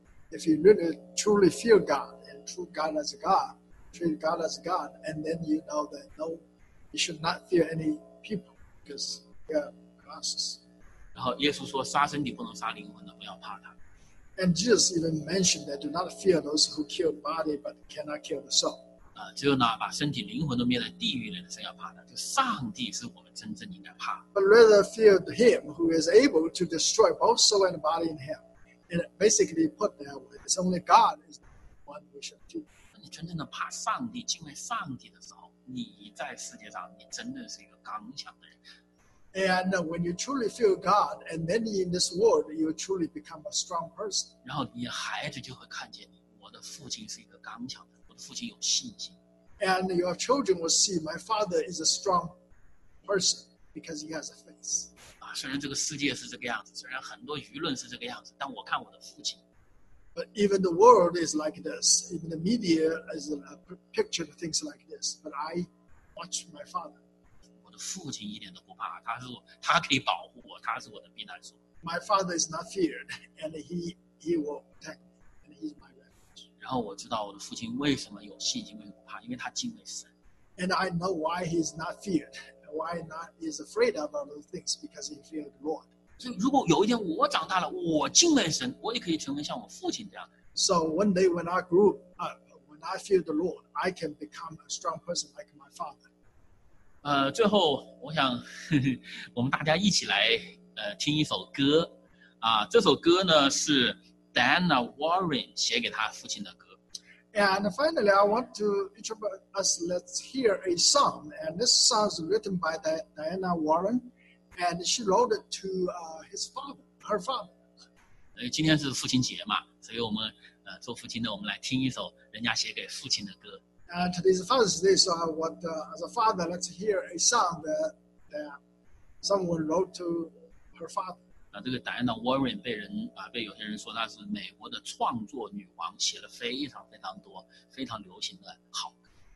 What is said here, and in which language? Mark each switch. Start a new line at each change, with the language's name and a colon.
English: If you really truly fear God and treat God as a God, treat God as a God, and then you know that no, you should not fear any people because they are grasses.
Chinese: 然后耶稣说，杀身体不能杀灵魂的，不要怕他。
English: And Jesus even mentioned that do not fear those who kill the body but cannot kill the soul.
Chinese: 只有呢，把身体灵魂都灭在地狱里的，谁要怕他？就上帝是我们真正应该怕。
English: But rather fear him who is able to destroy both soul and body in hell. And basically put that way, it's only God is the one we should do.
Chinese: 当你真正的怕上帝、敬畏上帝的时候，你在世界上你真的是一个刚强的人。
English: And when you truly feel God, and then in this world, you truly become a strong person.
Chinese: 然后你孩子就会看见你，我的父亲是一个刚强的，我的父亲有信心。
English: And your children will see my father is a strong person because he has a faith.
Chinese: 虽然这个世界是这个样子，虽然很多舆论是这个样子，但我看我的父亲。
English: But even the world is like this. Even the media is pictured things like this. But I watch my father.
Chinese: 我的父亲一点都不怕，他可以保护我，他是我的避难所。
English: My father is not feared, and he will protect me, and he's my refuge.
Chinese: 然后我知道我的父亲为什么有信心，为什么不怕，因为他敬畏神。
English: And I know why he's not feared. Why not is afraid of all those things because he feared the Lord.
Chinese: 所以如果有一天我长大了，我敬畏神，我也可以成为像我父亲这样的。
English: So one day when I grew up, when I feared the Lord, I can become a strong person like my father.
Chinese: 最后我想我们大家一起来听一首歌啊。这首歌呢是 Diana Warren 写给他父亲的歌。
English: And finally, I want to each of us let's hear a song. And this song is written by Diana Warren, and she wrote it to her father.
Chinese: 今天是父亲节嘛，所以我们做父亲的，我们来听一首人家写给父亲的歌。
English: And today's Father's Day, so I want, as a father, let's hear a song that someone wrote to her father.
Chinese: 这个 Diana Warren 被有些人说她是美国的创作女王，写了非常非常多非常流行的好歌。